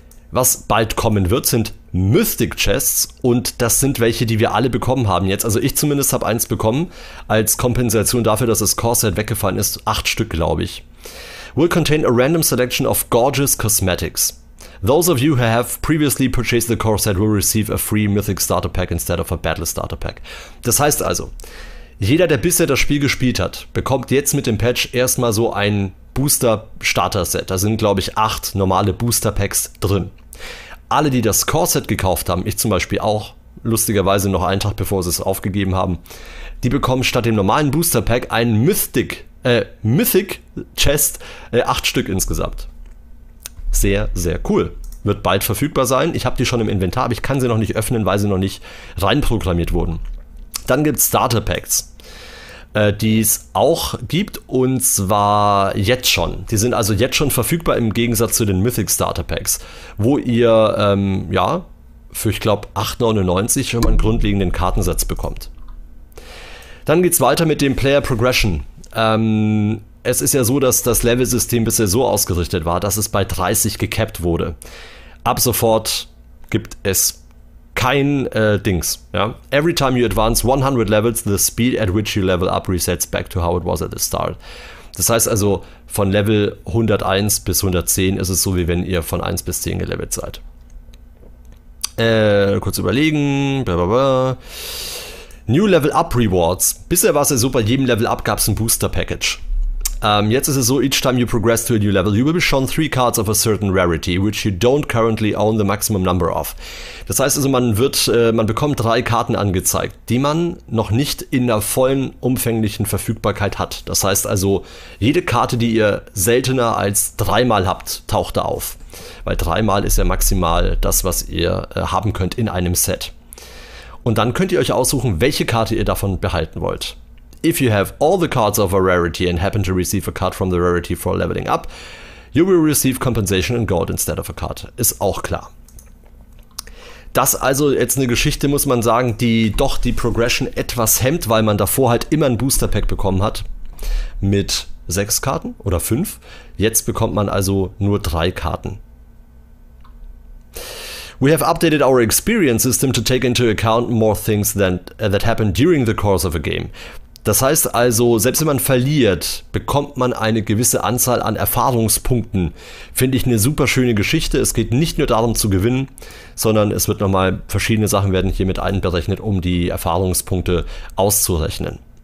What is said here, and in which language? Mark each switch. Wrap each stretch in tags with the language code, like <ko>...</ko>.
<de>Was bald kommen wird, sind Mystic Chests und das sind welche, die wir alle bekommen haben jetzt. Also ich zumindest habe eins bekommen als Kompensation dafür, dass das Core Set weggefallen ist. 8 Stück, glaube ich.</de> <en>Will contain a random selection of gorgeous cosmetics. Those of you who have previously purchased the core set will receive a free Mythic Starter Pack instead of a Battle Starter Pack.</en> <de>Das heißt also, jeder, der bisher das Spiel gespielt hat, bekommt jetzt mit dem Patch erstmal so ein Booster Starter Set. Da sind, glaube ich, 8 normale Booster Packs drin. Alle, die das Core Set gekauft haben, ich zum Beispiel auch, lustigerweise noch einen Tag bevor sie es aufgegeben haben, die bekommen statt dem normalen Booster Pack ein Mythic Chest, 8 Stück insgesamt. Sehr, sehr cool. Wird bald verfügbar sein. Ich habe die schon im Inventar, aber ich kann sie noch nicht öffnen, weil sie noch nicht reinprogrammiert wurden. Dann gibt es Starter Packs, die es auch gibt, und zwar jetzt schon. Die sind also jetzt schon verfügbar im Gegensatz zu den Mythic Starter Packs, wo ihr für, ich glaube, 8,99 schon mal einen grundlegenden Kartensatz bekommt. Dann geht es weiter mit dem Player Progression. Es ist ja so, dass das Level-System bisher so ausgerichtet war, dass es bei 30 gecapped wurde. Ab sofort gibt es kein Dings. Ja?</de> <en>Every time you advance 100 levels, the speed at which you level up resets back to how it was at the start.</en> <de>Das heißt also, von Level 101 bis 110 ist es so, wie wenn ihr von 1 bis 10 gelevelt seid. Kurz überlegen.</de> <en>Blablabla. New Level Up Rewards.</en> <de>Bisher war es ja so, bei jedem Level Up gab es ein Booster-Package. Jetzt ist es so,</de> <en>each time you progress to a new level, you will be shown 3 cards of a certain rarity, which you don't currently own the maximum number of.</en> <de>Das heißt also, man bekommt 3 Karten angezeigt, die man noch nicht in der vollen umfänglichen Verfügbarkeit hat. Das heißt also, jede Karte, die ihr seltener als 3-mal habt, taucht da auf. Weil 3-mal ist ja maximal das, was ihr haben könnt in einem Set. Und dann könnt ihr euch aussuchen, welche Karte ihr davon behalten wollt.</de> <en>If you have all the cards of a rarity and happen to receive a card from the rarity for leveling up, you will receive compensation in gold instead of a card.</en> <de>Ist auch klar. Das also jetzt eine Geschichte, muss man sagen, die doch die Progression etwas hemmt, weil man davor halt immer ein Booster Pack bekommen hat mit 6 Karten oder 5. Jetzt bekommt man also nur 3 Karten.</de> <en>We have updated our experience system to take into account more things that happen during the course of a game.</en> <de>Das heißt also, selbst wenn man verliert, bekommt man eine gewisse Anzahl an Erfahrungspunkten. Finde ich eine super schöne Geschichte. Es geht nicht nur darum zu gewinnen, sondern es wird nochmal, verschiedene Sachen werden hiermit einberechnet, um die Erfahrungspunkte auszurechnen.</de>